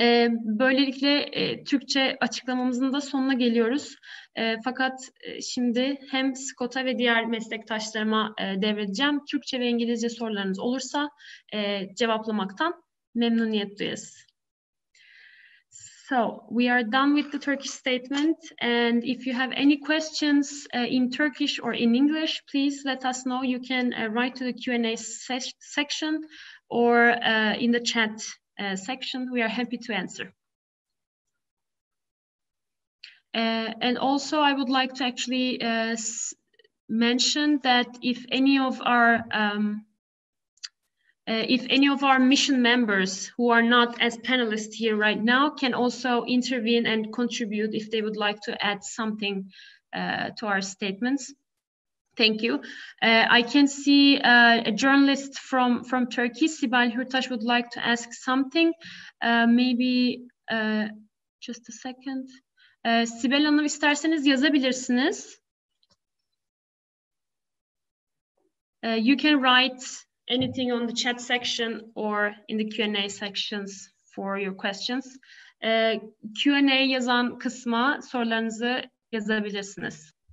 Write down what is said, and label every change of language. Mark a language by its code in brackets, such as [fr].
[tr] Böylelikle Türkçe açıklamamızın da sonuna geliyoruz. Fakat şimdi hem Scott'a ve diğer meslektaşlarıma devredeceğim. Türkçe ve İngilizce sorularınız olursa cevaplamaktan memnuniyet duyarız. [en] So, we are done with the Turkish statement. And if you have any questions in Turkish or in English, please let us know. You can write to the Q&A section or in the chat section, we are happy to answer. And also, I would like to actually mention that if any of our mission members who are not as panelists here right now can also intervene and contribute if they would like to add something to our statements. Thank you. I can see a journalist from Turkey, Sibel Hurtaş, would like to ask something. Maybe just a second. [tr] Sibel Hanım, isterseniz yazabilirsiniz. [en] You can write anything on the chat section or in the Q&A sections for your questions. [tr] Q&A yazan kısma sorularınızı yazabilirsiniz.